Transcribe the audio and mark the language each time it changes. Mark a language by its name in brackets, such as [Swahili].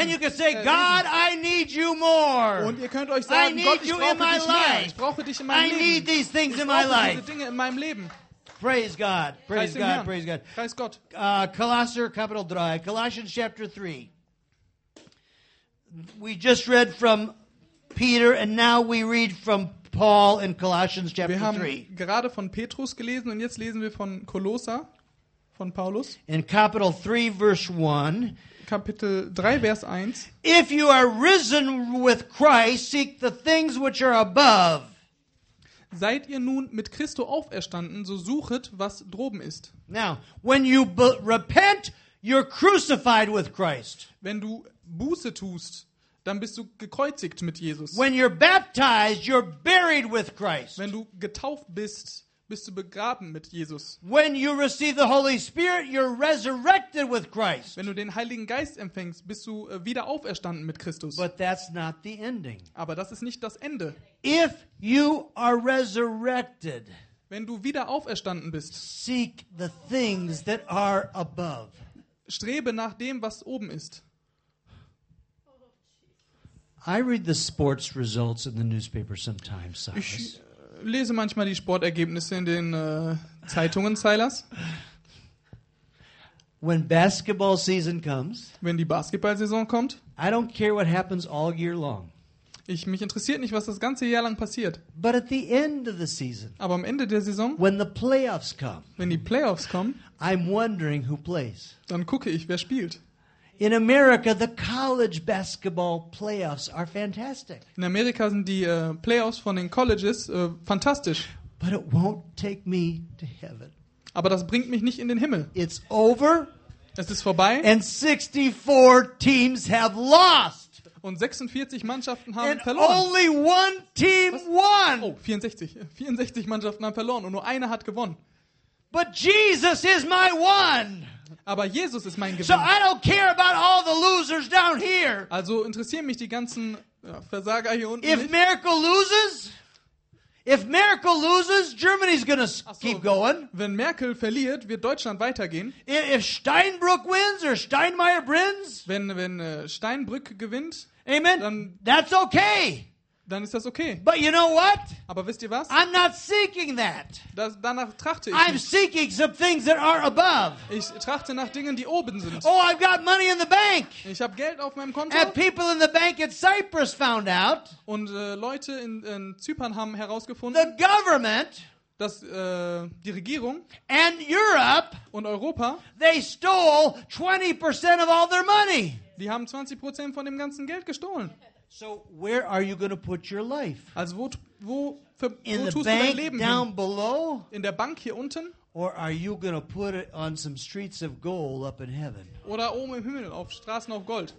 [English] And you can say, God, I need you more. [German] Und ihr könnt euch sagen, Gott, ich brauche dich mehr. Ich brauche dich in meinem Leben. [English] I need these things [German] ich [English] in my life. [German] Diese Dinge in meinem Leben. [English] Praise God. Praise God. Praise God. [German] Preis Gott. Colosser, Kapitel 3. [English] Colossians chapter 3. We just read from Peter and now we read from Paul in Colossians chapter 3. [German] Wir haben gerade von Petrus gelesen und jetzt lesen wir von Kolosser, von Paulus. In Kapitel 3, Vers 1. Kapitel 3, Vers 1. [English] If you are risen with Christ, seek the things which are above. [German] Seid ihr nun mit Christo auferstanden, so suchet, was droben ist. [English] Now, when you repent, you're crucified with Christ. [German] Wenn du Buße tust, dann bist du gekreuzigt mit Jesus. [English] When you're baptized, you're buried with Christ. [German] Wenn du getauft bist, bist du begraben mit Jesus. [English] When you receive the Holy Spirit, you're resurrected with Christ. [German] Wenn du den Heiligen Geist empfängst, bist du wieder auferstanden mit Christus. [English] But that's not the ending. [German] Aber das ist nicht das Ende. [English] If you are resurrected, [German] wenn du wieder auferstanden bist, [English] seek the things that are above. [German] Strebe nach dem, was oben ist. [English] I read the sports results in the newspaper sometimes, Silas. [German] Ich lese manchmal die Sportergebnisse in den Zeitungen, Silas. [English] When basketball season comes, [German] wenn die Basketballsaison kommt, [English] I don't care what happens all year long. [German] Ich mich interessiert nicht, was das ganze Jahr lang passiert. [English] But at the end of the season, [German] aber am Ende der Saison, [English] when the playoffs come, [German] wenn die Playoffs kommen, [English] I'm wondering who plays. [German] Dann gucke ich, wer spielt. [English] In America, the college basketball playoffs are fantastic. [German] In Amerika sind die Playoffs von den Colleges fantastisch. [English] But it won't take me to heaven. [German] Aber das bringt mich nicht in den Himmel. [English] It's over. [German] Es ist vorbei. [English] And 64 teams have lost. [German] Und 46 Mannschaften haben [English] and [German] verloren. [English] Only one team won. [German] Oh, 64 Mannschaften haben verloren und nur eine hat gewonnen. [English] But Jesus is my one. [German] Aber Jesus ist mein Gewinn. [English] So I don't care about all the losers down here. [German] Also interessieren mich die ganzen Versager hier unten [English] if [German] nicht. [English] If Merkel loses, Germany's gonna keep going. [German] Wenn Merkel verliert, wird Deutschland weitergehen. [English] If Steinbrück wins or Steinmeier wins. [German] Wenn Steinbrück gewinnt. [English] Amen. [German] Dann, [English] that's okay. [German] Dann ist das okay. [English] But you know what? [German] Aber wisst ihr was? [English] I'm not seeking that. [German] Danach trachte ich. [English] I'm seeking some things that are above. [German] Ich trachte nach Dingen, die oben sind. [English] Oh, I've got money in the bank. [German] Ich habe Geld auf meinem Konto. [English] And people in the bank in Cyprus found out. [German] Und Leute in Zypern haben herausgefunden. [English] The government. [German] Dass die Regierung. [English] And Europe. [German] Und Europa. [English] They stole 20% of all their money. [German] Die haben 20% von dem ganzen Geld gestohlen. [English] So where are you going to put your life? [German] Also wo tust du dein Leben hin? [English] Down below? [German] In der Bank hier unten? [English] Or are you going to put it on some streets of gold up in heaven? [German] Oder oben im Himmel auf Straßen auf Gold?